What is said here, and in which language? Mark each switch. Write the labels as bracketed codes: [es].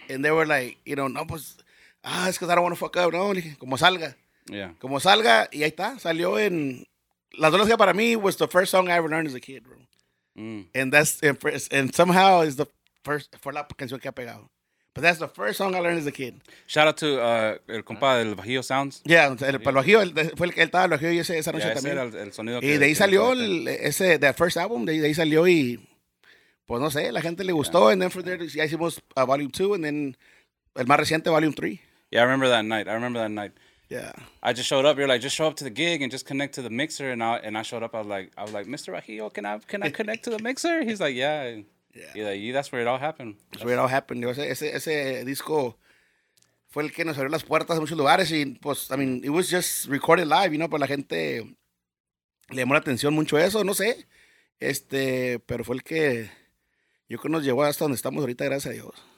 [en] And they were like, you know, [es] no, pues, [en] it's because I don't want to fuck up. [es] No, le dije, como salga. [en] Yeah. [es] Como salga, y ahí está, salió en... [en] Las Olas Que Para Mí was the first song I ever learned as a kid, bro. And somehow is the first... [es] Fue la canción que ha pegado. [en] But that's the first song I learned as a kid. Shout out to el compa del Bajío Sounds. [es] Yeah, el Bajío, fue el que estaba el Bajío y esa noche ese también. Era el sonido y que... Y de ahí salió ese, [en] that first album, [es] de ahí salió y... Pues no sé, la gente le gustó. Yeah. [en] And then from there, [es] ya hicimos Volume 2, [en] and then [es] el más reciente, Volume 3. [en] Yeah, I remember that night. Yeah. I just showed up. You're like, just show up to the gig and just connect to the mixer. And I showed up. I was like, Mr. Rajillo, can I connect to the mixer? He's like, yeah. Yeah. He's like, yeah, that's where it all happened. That's where it all happened. [es] Ese disco fue el que nos abrió las puertas a muchos lugares. Y, pues, [en] I mean, it was just recorded live, you [es] know, pero la gente le llamó la atención mucho eso. No sé. Pero fue el que yo creo nos llevó hasta donde estamos ahorita, gracias a Dios.